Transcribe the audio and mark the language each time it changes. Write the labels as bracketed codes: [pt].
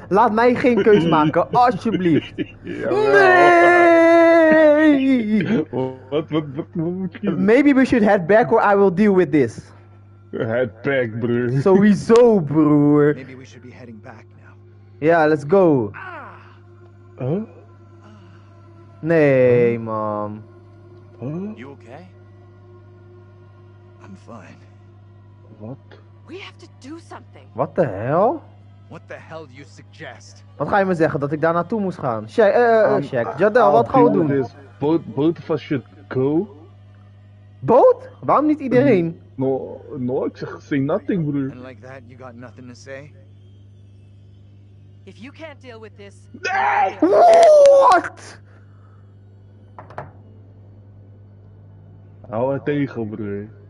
[nl] Laat mij geen keus maken, alsjeblieft. Nee! Wat moet je. [en] Maybe we should head back or I will deal with this. Head back, [nl] broer. Sowieso, broer. [en] Maybe we should be heading back now. Ja, let's go. Huh? [nl] Nee, mom. Huh? [en] You okay? I'm fine. What? We have to do something. What the hell? What the hell do you suggest? [nl] Wat ga je me zeggen dat ik daar naartoe moest gaan? Shaq. Jadel, wat gaan we doen? [en] Boat of us should go? [nl] Boat? Waarom niet iedereen? No, ik zeg, [en] say nothing, [nl] broer. [en] And like that, you got nothing to say? If you can't deal with this... Nee! What? [nl] Hou er tegen, broer.